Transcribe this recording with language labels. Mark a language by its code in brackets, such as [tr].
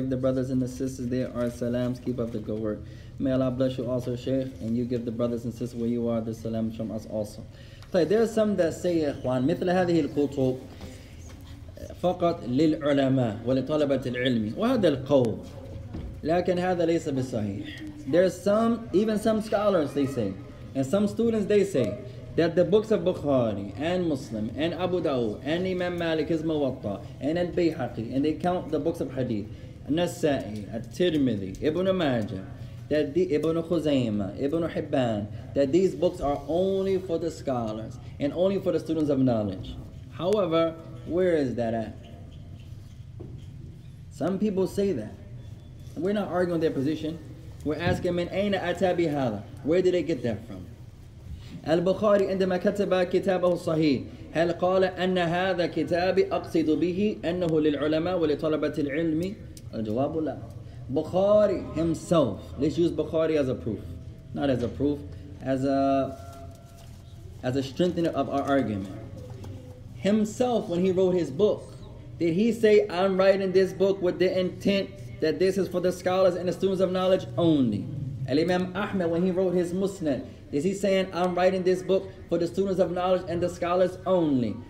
[en] Give the brothers and the sisters there our salams. Keep up the good work. May Allah bless you also, Shaykh, and you give the brothers and sisters where you are the salams from us also. So there are some that say, ikhwan, [ar] مثل هذه الكتب فقط للعلماء ولطلبة العلم وهذا القول لكن هذا ليس بالصحيح. [en] There are some, even some scholars, they say, and some students, they say, that the books of Bukhari and Muslim and Abu Dawud and Imam Malik is Muwatta and Al-Bayhaqi, and they count the books of Hadith, Nasa'i, At-Tirmidhi, Ibn Majah, that the Ibn Khuzaymah, Ibn Hibban, that these books are only for the scholars and only for the students of knowledge. However, where is that at? Some people say that. We're not arguing their position. We're asking, [ar] من أين أتى بهذا? [en] Where did they get that from? [ar] البخاري عندما كتب كتابه الصحيح هل قال أن هذا كتاب أقصد به أنه للعلماء ولطلبة العلم الجواب لا. [en] Bukhari himself, let's use Bukhari as a proof, not as a proof, as a strengthener of our argument. Himself, when he wrote his book, did he say, I'm writing this book with the intent that this is for the scholars and the students of knowledge only. Al-Imam Ahmed, when he wrote his Musnad, is he saying, I'm writing this book for the students of knowledge and the scholars only?